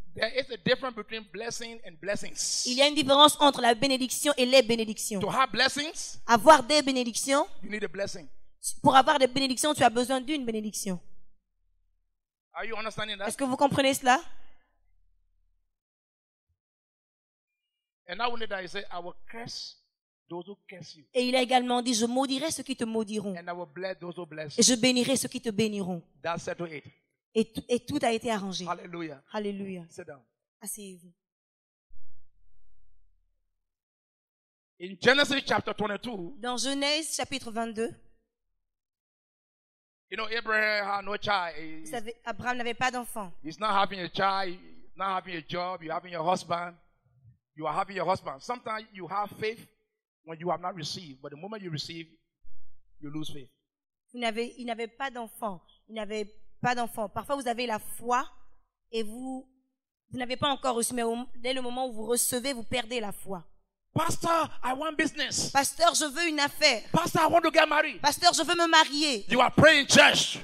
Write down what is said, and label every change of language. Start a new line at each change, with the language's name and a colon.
English: There is a difference between blessing and blessings.
French: Il y a une différence entre la bénédiction et les bénédictions.
English: To have blessings,
French: avoir des bénédictions,
English: you need a blessing.
French: Pour avoir des bénédictions, tu as besoin d'une bénédiction.
English: Are you understanding that?
French: Est-ce que vous comprenez cela?
English: And now when he said, I will curse those who curse you.
French: Et il a également dit, je maudirai ceux qui te maudiront.
English: And I will bless those who bless.
French: Et je bénirai ceux qui te béniront.
English: That's it.
French: Et tout a été arrangé. Alléluia. Alléluia.
English: Sit down.
French: Asseyez-vous.
English: In Genesis chapter 22.
French: Dans Genèse chapitre 22.
English: You know, Abraham had no child.
French: Vous savez, Abraham n'avait pas d'enfant.
English: He's not having a child. He's not having a job. You're having your husband. You are having your husband. Sometimes you have faith when you have not received, but the moment you receive, you lose faith.
French: Il n'avait pas d'enfant. Parfois, vous avez la foi et vous n'avez pas encore reçu. Mais dès le moment où vous recevez, vous perdez la foi.
English: Pastor, I want business.
French: Pasteur, je veux une affaire.
English: Pastor, I want to get married.
French: Pasteur, je veux me marier.
English: You are praying in church.